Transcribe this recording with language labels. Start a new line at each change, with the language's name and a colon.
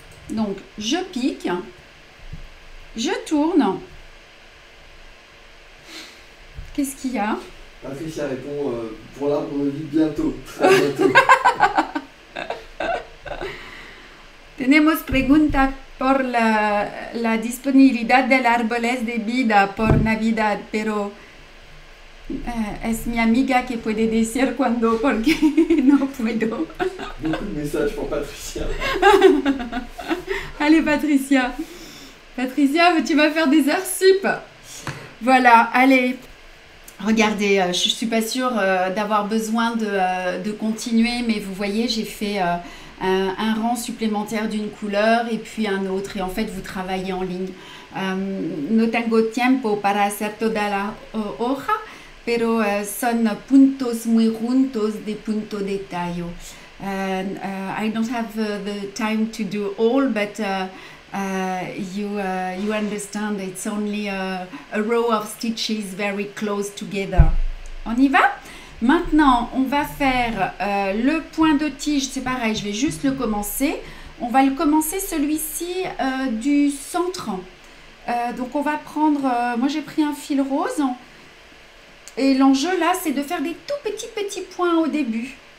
French: Donc je pique, je tourne. Qu'est-ce qu'il y a? Patricia répond pour l'arbre de vie bientôt, très bientôt.
Spanish: pregunta. Por la disponibilidad de la arboles de vida por Navidad, pero es mi amiga que puede decir cuando, porque no puedo.
French: Beaucoup de messages pour Patricia. Allez, Patricia. Patricia, tu vas faire des heures sup. Voilà, allez. Regardez, je suis pas sûre d'avoir besoin de continuer, mais vous voyez, j'ai fait. Un rang supplémentaire d'une couleur et puis un autre. Et en fait, vous travaillez en ligne.
Spanish: No tengo tiempo para hacer toda la hoja, pero son puntos muy juntos de punto de tallo.
English: I don't have the time to do all, but you understand, it's only a row of stitches very close together.
French: On y va? Maintenant, on va faire le point de tige, c'est pareil, je vais juste le commencer. On va le commencer celui-ci du centre. Donc, on va prendre, moi j'ai pris un fil rose. Et l'enjeu là, c'est de faire des tout petits points au début.